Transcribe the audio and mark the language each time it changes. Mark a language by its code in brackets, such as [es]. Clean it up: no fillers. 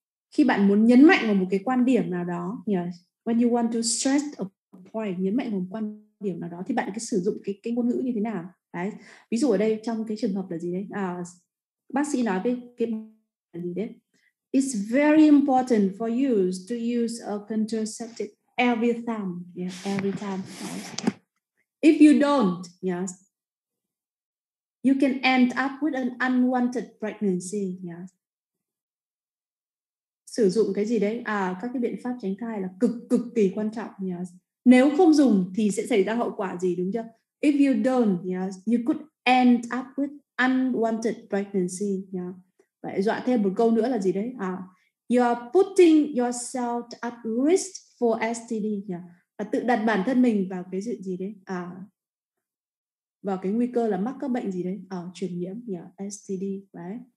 [vi] Khi bạn muốn nhấn mạnh vào một cái quan điểm nào đó, yeah, [en] when you want to stress a point, [vi] nhấn mạnh vào một quan điểm nào đó, thì bạn cứ sử dụng cái ngôn ngữ như thế nào? Đấy. Ví dụ ở đây trong cái trường hợp là gì đấy? Bác sĩ nói với cái là gì đấy? [en] It's very important for you to use a contraceptive every time, yeah, every time. Yes. If you don't, yes, you can end up with an unwanted pregnancy, yes. [vi] Sử dụng cái gì đấy? Các cái biện pháp tránh thai là cực kỳ quan trọng, yes. Nếu không dùng thì sẽ xảy ra hậu quả gì, đúng chưa? [en] If you don't, yes, you could end up with unwanted pregnancy, yes. [vi] Vậy dọa thêm một câu nữa là gì đấy? [en] You are putting yourself at risk for STD, yes. [vi] Và tự đặt bản thân mình vào cái chuyện gì đấy, vào cái nguy cơ là mắc các bệnh gì đấy, truyền nhiễm, STD, đấy.